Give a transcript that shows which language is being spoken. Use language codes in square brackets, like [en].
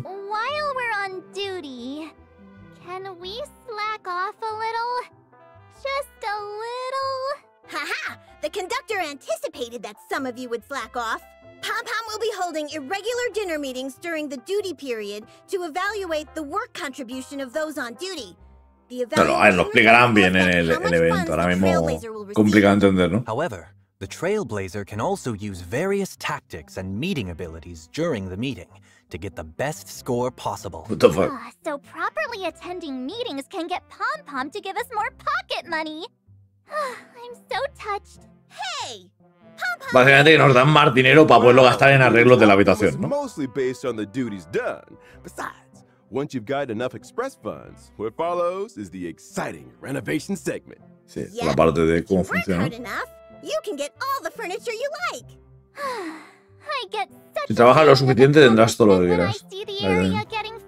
[en] While we're on duty, can we slack off a little? Just a little. Haha! The conductor anticipated that some of you would slack off. Pom Pom will be holding irregular dinner meetings during the duty period to evaluate the work contribution of those on duty. [es] Pero a ver, lo explicarán bien en el evento. Ahora mismo complicado entender, ¿no? [en] However, the Trailblazer can also use various tactics and meeting abilities during the meeting to get the best score possible. What the fuck? So properly attending meetings can get Pom Pom to give us more pocket money. I'm so touched. Hey, [es] básicamente que nos dan más dinero para poderlo gastar en arreglos de la habitación, ¿no? [en] Mostly based on the duties done. Besides, once you've got enough express funds, what follows is the exciting renovation segment. [es] Sí, yep. La parte de cómo funciona. [en] You can get all the furniture you like. I get [es] si trabajas lo suficiente, tendrás todo lo que quieras.